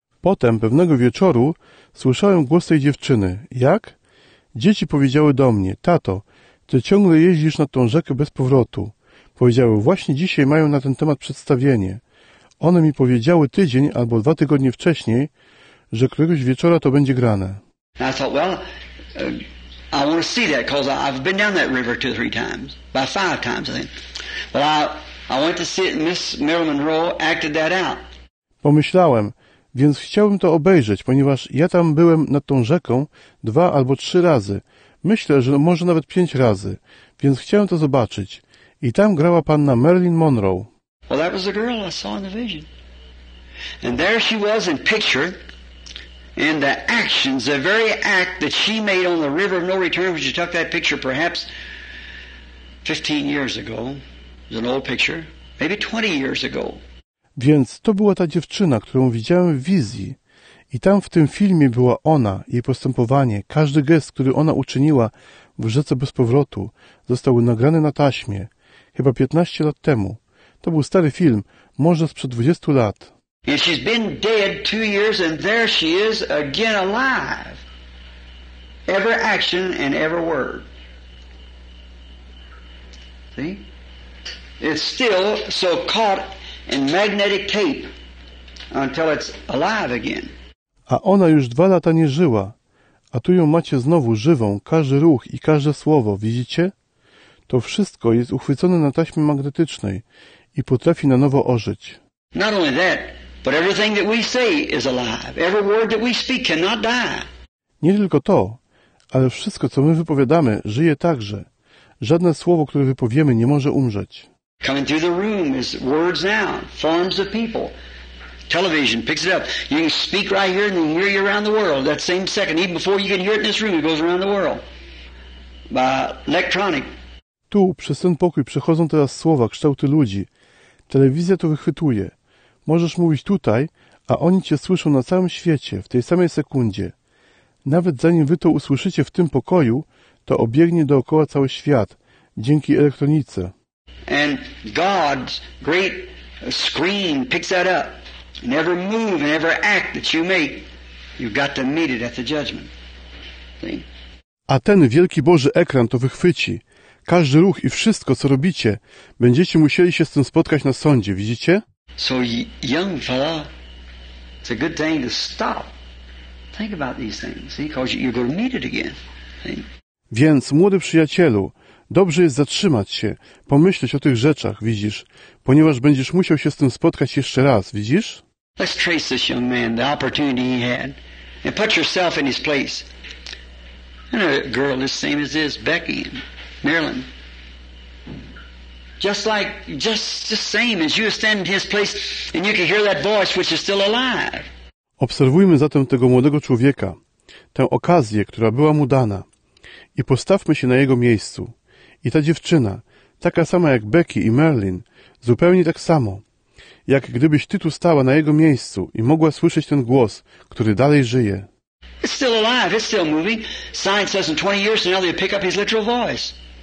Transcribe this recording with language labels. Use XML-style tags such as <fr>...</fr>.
<pl>Potem, pewnego wieczoru, słyszałem głos tej dziewczyny. Jak? Dzieci powiedziały do mnie, tato, ty ciągle jeździsz na tą rzekę bez powrotu. Powiedziały, właśnie dzisiaj mają na ten temat przedstawienie. One mi powiedziały tydzień albo 2 tygodnie wcześniej, że któregoś wieczora to będzie grane.</pl> <en>And I thought, well, I want to see that because I've been down that river 2 or 3 times, by 5 times I think. But I went to see it and Miss Marilyn Monroe acted that out.</en> <pl>Pomyślałem, więc chciałbym to obejrzeć, ponieważ ja tam byłem nad tą rzeką 2 albo 3 razy. Myślę, że może nawet 5 razy, więc chciałem to zobaczyć. I tam grała panna Marilyn Monroe.</pl> <en>Well, that was the girl I saw in the vision. And there she was in picture. And the actions, the very act that she made on the River of No Return when she took that picture perhaps 15 years ago. It was an old picture. Maybe 20 years ago.</en> <pl>Więc to była ta dziewczyna, którą widziałem w wizji. I tam w tym filmie była ona, jej postępowanie, każdy gest, który ona uczyniła w Rzece Bez Powrotu, został nagrany na taśmie, chyba 15 lat temu. To był stary film, może sprzed 20 lat.</pl> <en>And she's been dead 2 years and there she is again alive. Every action and every word. See? It's still so caught in magnetic tape until it's alive again.</en> <pl>A ona już 2 lata nie żyła, a tu ją macie znowu żywą, każdy ruch i każde słowo, widzicie? To wszystko jest uchwycone na taśmie magnetycznej i potrafi na nowo ożyć.</pl> <en>Not only that, but everything that we say is alive. Every word that we speak cannot die.</en> <pl>Nie tylko to, ale wszystko, co my wypowiadamy, żyje także. Żadne słowo, które wypowiemy, nie może umrzeć.</pl> <en>Coming through the room is words now, forms of people. Television picks it up. You can speak right here and they hear you around the world. That same second, even before you can hear it in this room, it goes around the world. By electronic.</en> <pl>Tu, przez ten pokój, przechodzą teraz słowa, kształty ludzi. Telewizja to wychwytuje. Możesz mówić tutaj, a oni cię słyszą na całym świecie, w tej samej sekundzie. Nawet zanim wy to usłyszycie w tym pokoju, to obiegnie dookoła cały świat, dzięki elektronice.</pl> <en>And God's great screen picks that up. And every move and every act that you make, you've got to meet it at the judgment. See?</en> <pl>A ten wielki Boży ekran to wychwyci. Każdy ruch i wszystko, co robicie, będziecie musieli się z tym spotkać na sądzie, widzicie?</pl> <en>So, young fella, it's a good thing to stop. Think about these things, see? Because you're going to meet it again. See?</en> <pl>Więc, młody przyjacielu, dobrze jest zatrzymać się, pomyśleć o tych rzeczach, widzisz, ponieważ będziesz musiał się z tym spotkać jeszcze raz, widzisz?</pl> <en>Let's trace this young man, the opportunity he had, and put yourself in his place. And a girl the same as this, Becky, Marilyn. Just same as you stand in his place and you can hear that voice which is still alive.</en> <pl>Obserwujmy zatem tego młodego człowieka, tę okazję, która była mu dana, i postawmy się na jego miejscu. I ta dziewczyna, taka sama jak Becky i Marilyn, zupełnie tak samo, jak gdybyś ty tu stała na jego miejscu i mogła słyszeć ten głos, który dalej żyje.</pl> <en>It's still alive, it's still moving. Science says in 20 years now they pick up his literal voice.</en>